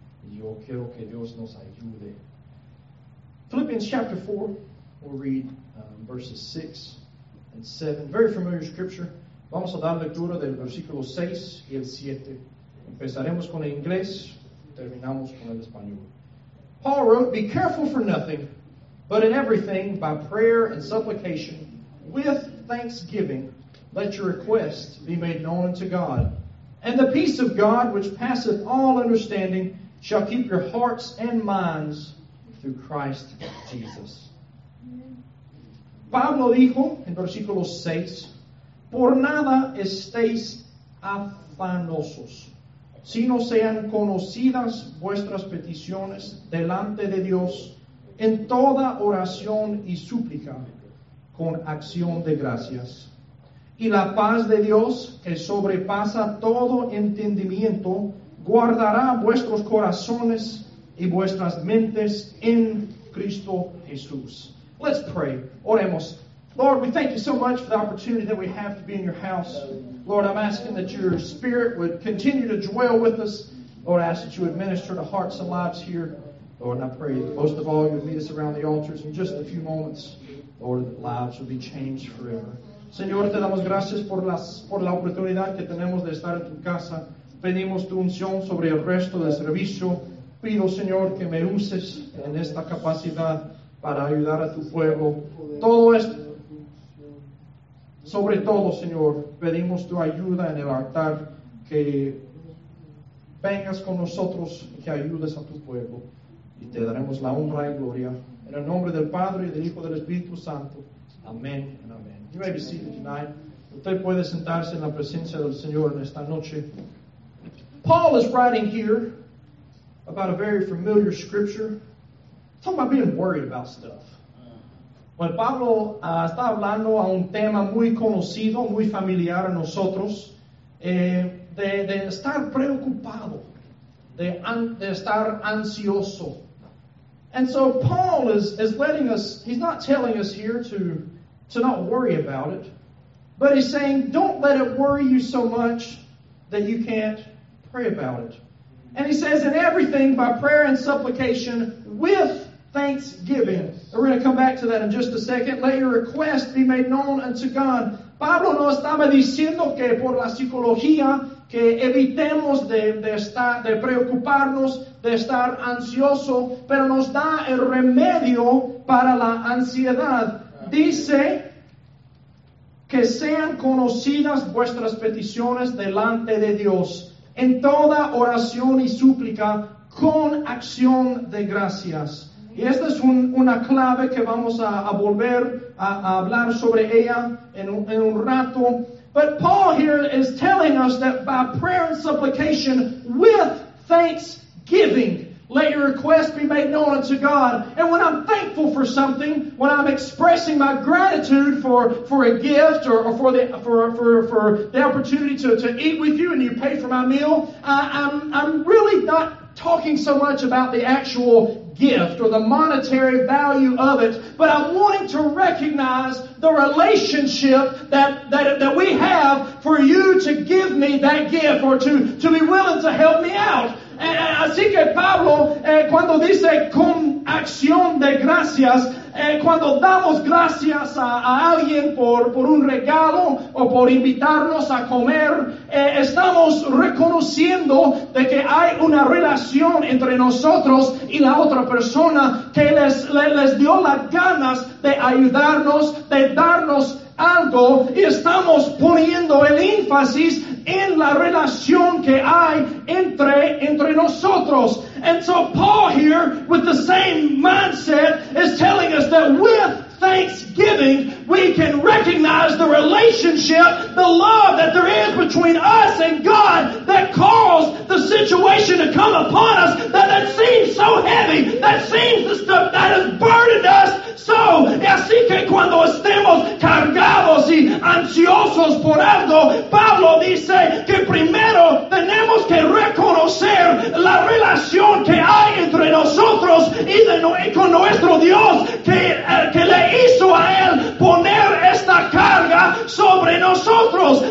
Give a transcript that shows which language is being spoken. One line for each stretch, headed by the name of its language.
Spanish: Y yo quiero que Dios nos ayude.
English: Philippians chapter 4, we'll read verses 6 and 7. Very familiar scripture.
Spanish: Vamos a dar lectura del versículo 6 y el 7. Empezaremos con el inglés, terminamos con el español.
English: Paul wrote, "Be careful for nothing, but in everything, by prayer and supplication, with thanksgiving, let your requests be made known unto God. And the peace of God, which passeth all understanding, shall keep your hearts and minds through Christ Jesus."
Spanish: Pablo dijo en versículo 6, "Por nada estéis afanosos, sino sean conocidas vuestras peticiones delante de Dios en toda oración y súplica con acción de gracias. Y la paz de Dios, que sobrepasa todo entendimiento, guardará vuestros corazones y vuestras mentes en Cristo Jesús."
English: Let's pray.
Spanish: Oremos.
English: Lord, we thank you so much for the opportunity that we have to be in your house. Lord, I'm asking that your spirit would continue to dwell with us. Lord, I ask that you would minister to hearts and lives here. Lord, and I pray that most of all you would meet us around the altars in just a few moments. Lord, that lives would be changed forever.
Spanish: Señor, te damos gracias por la oportunidad que tenemos de estar en tu casa. Pedimos tu unción sobre el resto del servicio. Pido, Señor, que me uses en esta capacidad para ayudar a tu pueblo. Todo esto. Sobre todo, Señor, pedimos tu ayuda en el altar, que vengas con nosotros y que ayudes a tu pueblo. Y te daremos la honra y gloria. En el nombre del Padre y del Hijo y del Espíritu Santo. Amén y amén.
English: You may be seated tonight.
Spanish: Usted puede sentarse en la presencia del Señor en esta noche.
English: Paul is writing here about a very familiar scripture. Talking about being worried about stuff.
Spanish: Bueno, Pablo está hablando a un tema muy conocido, muy familiar a nosotros, de estar preocupado, de estar ansioso.
English: And so Paul is letting us, he's not telling us here to not worry about it, but he's saying, don't let it worry you so much that you can't pray about it. And he says, in everything by prayer and supplication with thanksgiving. Yes. We're going to come back to that in just a second. Let your request be made known unto God.
Spanish: Pablo no estaba diciendo que por la psicología que evitemos de preocuparnos, de estar ansioso, pero nos da el remedio para la ansiedad. Dice que sean conocidas vuestras peticiones delante de Dios en toda oración y súplica con acción de gracias. Y esta es una clave que vamos a volver a hablar sobre ella en un rato.
English: But Paul here is telling us that by prayer and supplication with thanksgiving, let your request be made known unto God. And when I'm thankful for something, when I'm expressing my gratitude for a gift or for the opportunity to eat with you and you pay for my meal, I'm really not talking so much about the actual gift or the monetary value of it, but I'm wanting to recognize the relationship that we have for you to give me that gift or to be willing to help me out.
Spanish: Así que Pablo, cuando dice con acción de gracias, cuando damos gracias a alguien por un regalo o por invitarnos a comer, estamos reconociendo de que hay una relación entre nosotros y la otra persona que les dio las ganas de ayudarnos, de darnos algo y estamos poniendo el énfasis en la relación que hay entre nosotros.
English: And so Paul here, with the same mindset, is telling us that with thanksgiving, we can recognize the relationship, the love that there is between us and God that caused the situation to come upon us that seems so heavy, that seems the stuff that has burdened us.
Spanish: So, así que cuando estemos cargados y ansiosos por algo, Pablo dice que primero tenemos que reconocer la relación que hay entre nosotros y con nuestro Dios que le hizo a él poner esta carga sobre nosotros.